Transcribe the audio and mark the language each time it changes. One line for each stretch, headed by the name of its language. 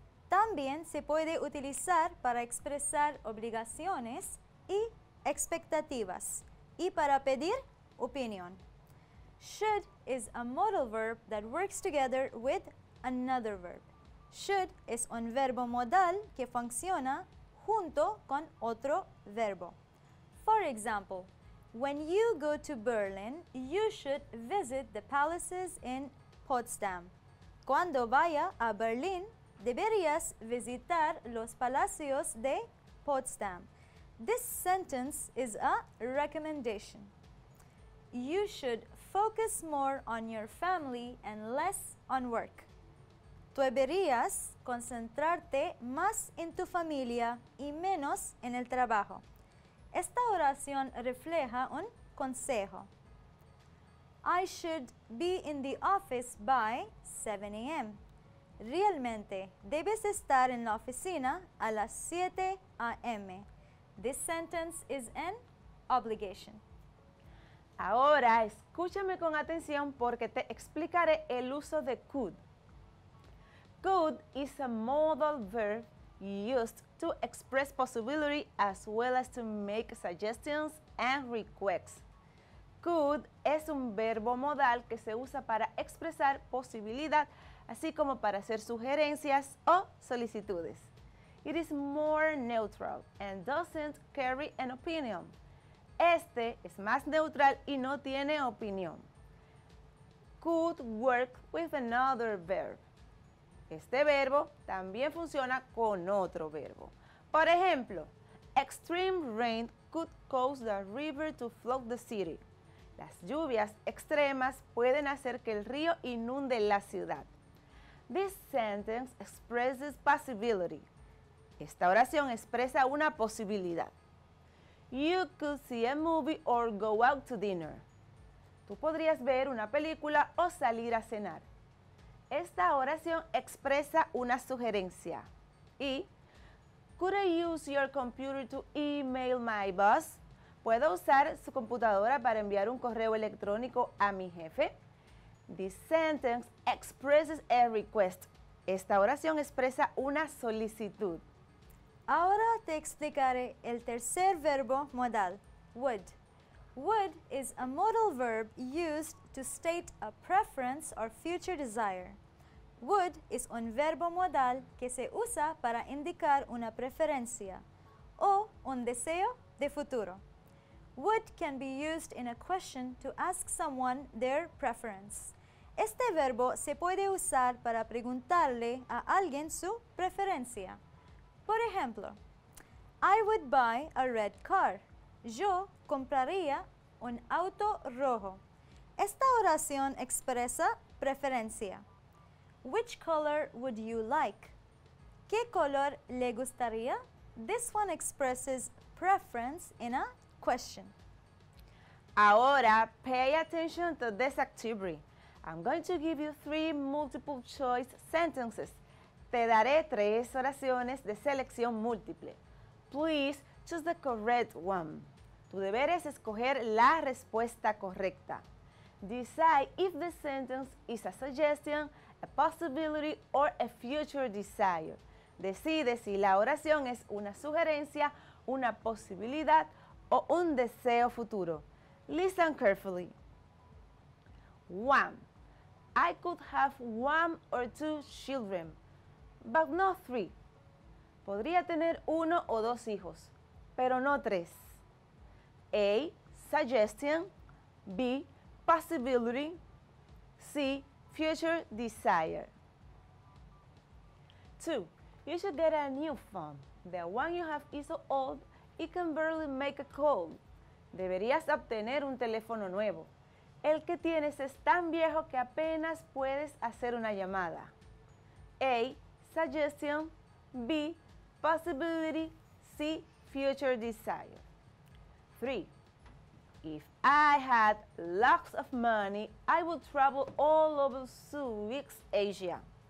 Spanish: También se puede utilizar para expresar obligaciones y expectativas y para pedir opinión.
English: Should is a modal verb that works together with another verb.
Spanish: Should es un verbo modal que funciona junto con otro verbo.
English: For example, when you go to Berlin, you should visit the palaces in Potsdam.
Spanish: Cuando vaya a Berlín, deberías visitar los palacios de Potsdam.
English: This sentence is a recommendation. You should focus more on your family and less on work.
Spanish: Tú deberías concentrarte más en tu familia y menos en el trabajo. Esta oración refleja un consejo.
English: I should be in the office by 7 a.m.
Spanish: Realmente, debes estar en la oficina a las 7 a.m.
English: This sentence is an obligation.
Spanish: Ahora, escúchame con atención porque te explicaré el uso de could.
English: Could is a modal verb used to express possibility as well as to make suggestions and requests.
Spanish: Could es un verbo modal que se usa para expresar posibilidad, así como para hacer sugerencias o solicitudes.
English: It is more neutral and doesn't carry an opinion.
Spanish: Este es más neutral y no tiene opinión.
English: Could work with another verb.
Spanish: Este verbo también funciona con otro verbo. Por ejemplo,
English: extreme rain could cause the river to flood the city.
Spanish: Las lluvias extremas pueden hacer que el río inunde la ciudad.
English: This sentence expresses possibility.
Spanish: Esta oración expresa una posibilidad.
English: You could see a movie or go out to dinner.
Spanish: Tú podrías ver una película o salir a cenar. Esta oración expresa una sugerencia.
English: Y, could I use your computer to email my boss?
Spanish: ¿Puedo usar su computadora para enviar un correo electrónico a mi jefe?
English: This sentence expresses a request.
Spanish: Esta oración expresa una solicitud. Ahora te explicaré el tercer verbo modal, would.
English: Would is a modal verb used to state a preference or future desire. Would is
Spanish: un verbo modal que se usa para indicar una preferencia o un deseo de futuro.
English: Would can be used in a question to ask someone their preference.
Spanish: Este verbo se puede usar para preguntarle a alguien su preferencia. Por ejemplo,
English: I would buy a red car.
Spanish: Yo compraría un auto rojo. Esta oración expresa preferencia.
English: Which color would you like?
Spanish: ¿Qué color le gustaría?
English: This one expresses preference in a question. Ahora, pay attention to this activity. I'm going to give you three multiple choice sentences.
Spanish: Te daré tres oraciones de selección múltiple.
English: Please choose the correct one.
Spanish: Tu deber es escoger la respuesta correcta.
English: Decide if the sentence is a suggestion, a possibility, or a future desire.
Spanish: Decide si la oración es una sugerencia, una posibilidad, o un deseo futuro.
English: Listen carefully. One, I could have one or two children. But not three.
Spanish: Podría tener uno o dos hijos, pero no tres.
English: A. Suggestion. B. Possibility. C. Future desire. Two. You should get a new phone. The one you have is so old, it can barely make a call.
Spanish: Deberías obtener un teléfono nuevo. El que tienes es tan viejo que apenas puedes hacer una llamada.
English: A. Suggestion. B. Possibility. C. Future desire. 3. If I had lots of money, I would travel all over Southeast Asia.